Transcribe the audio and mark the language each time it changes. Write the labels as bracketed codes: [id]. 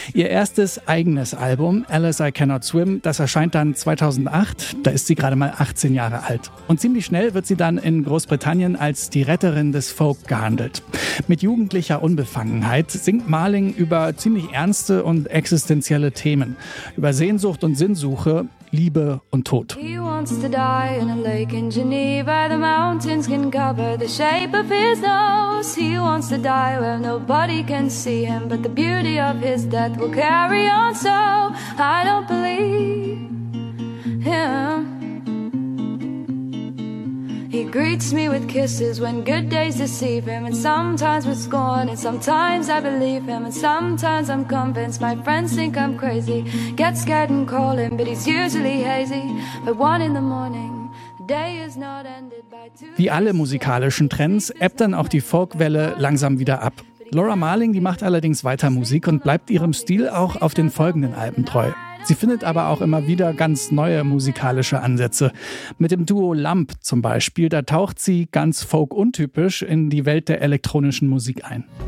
[de] Ihr erstes eigenes Album, Alice I Cannot Swim, das erscheint dann 2008. Da ist sie gerade mal 18 Jahre alt. Und ziemlich schnell wird sie dann in Großbritannien als die Retterin des Folk gehandelt. Mit jugendlicher Unbefangenheit singt Marling über ziemlich ernste und existenzielle Themen. Über Sehnsucht und Sinnsuche, Liebe und Tod. [en] He wants to die in a lake in Geneva. The mountains can cover the shape of his nose. He wants to die where nobody can see him. But the beauty of his death will carry on. So I don't believe him. He greets me with kisses when good days deceive him. And sometimes with scorn and sometimes I believe him. And sometimes I'm convinced my friends think I'm crazy. Get scared and call him, but he's usually hazy. But one in the morning, the day is not ended by two. [de] Wie alle musikalischen Trends ebbt dann auch die Folkwelle langsam wieder ab. Laura Marling, die macht allerdings weiter Musik und bleibt ihrem Stil auch auf den folgenden Alben treu. Sie findet aber auch immer wieder ganz neue musikalische Ansätze. Mit dem Duo Lump zum Beispiel, da taucht sie ganz folk-untypisch in die Welt der elektronischen Musik ein.